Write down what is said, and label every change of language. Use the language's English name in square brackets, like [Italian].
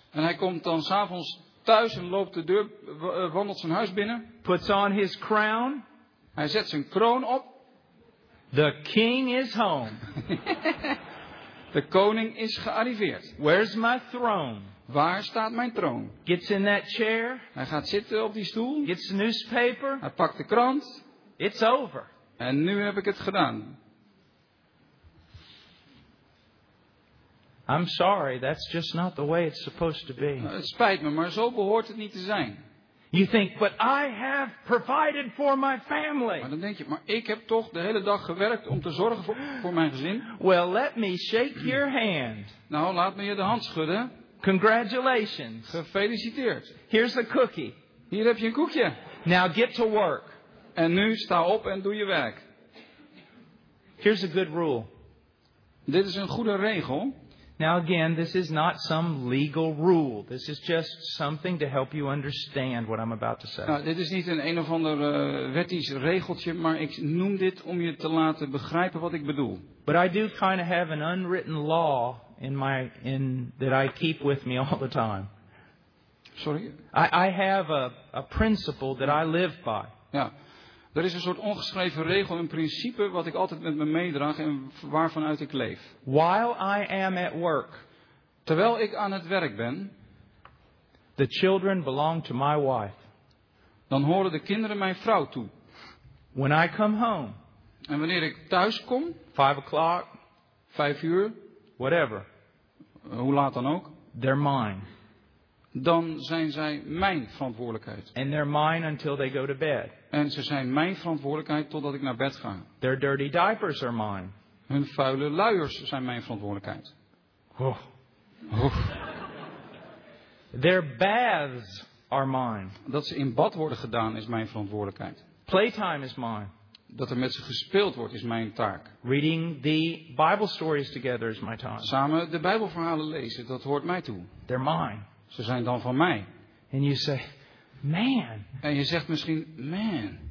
[Dutch] En hij komt dan 's avonds thuis en loopt de deur, wandelt zijn huis binnen. [English] Puts on his crown. [Dutch] Hij zet zijn kroon op. [English] The king is home. [Dutch] De koning is gearriveerd. [English] Where's my throne? [Dutch] Waar staat mijn troon? [English] Gets in that chair. [Dutch] Hij gaat zitten op die stoel. [English] Gets the newspaper. [Dutch] Hij pakt de krant. [English] It's over. [Dutch] En nu heb ik het gedaan. [English] I'm sorry, that's just not the way it's supposed to be. [Dutch] Het spijt me, maar zo behoort het niet te zijn. [English] You think, but I have provided for my family. [Dutch] Maar dan denk je, maar ik heb toch de hele dag gewerkt om te zorgen voor mijn gezin. [English] Well, let me shake your hand. [Dutch] Nou, laat me je de hand schudden. [English] Congratulations. [Dutch] Gefeliciteerd. [English] Here's the cookie. [Dutch] Hier heb je een koekje. [English] Now get to work. [Dutch] En nu sta op en doe je werk. [English] Here's a good rule. [Dutch] Dit is een goede regel. [English] Now again, this is not some legal rule. This is just something to help you understand what I'm about to say. [Dutch] Nou, dit is niet een of ander wettisch regeltje, maar ik noem dit om je te laten begrijpen wat ik bedoel. [English] But I do kind of have an unwritten law in that I keep with me all the time. Sorry? I have a principle that I live by. [Dutch] Ja. Er is een soort ongeschreven regel, een principe wat ik altijd met me meedraag en waarvanuit ik leef. [English] While I am at work, [Dutch] terwijl ik aan het werk ben, [English] the children belong to my wife. [Dutch] Dan horen de kinderen mijn vrouw toe. [English] When I come home, [Dutch] en wanneer ik thuis kom, [English] 5 o'clock, [Dutch] 5 uur, [English] whatever, [Dutch] hoe laat dan ook, [English] they're mine. [Dutch] Dan zijn zij mijn verantwoordelijkheid. [English] And they're mine until they go to bed. [Dutch] En ze zijn mijn verantwoordelijkheid totdat ik naar bed ga. [English] Their dirty diapers are mine. [Dutch] Hun vuile luiers zijn mijn verantwoordelijkheid. Oh. [English] Their baths are mine. [Dutch] Dat ze in bad worden gedaan is mijn verantwoordelijkheid. [English] Playtime is mine. [Dutch] Dat er met ze gespeeld wordt is mijn taak. [English] Reading the Bible stories together is my time. [Dutch] Samen de Bijbelverhalen lezen, dat hoort mij toe. [English] They're mine. [Dutch] Ze zijn dan van mij. [English] And you say, man. [Dutch] En je zegt misschien, man.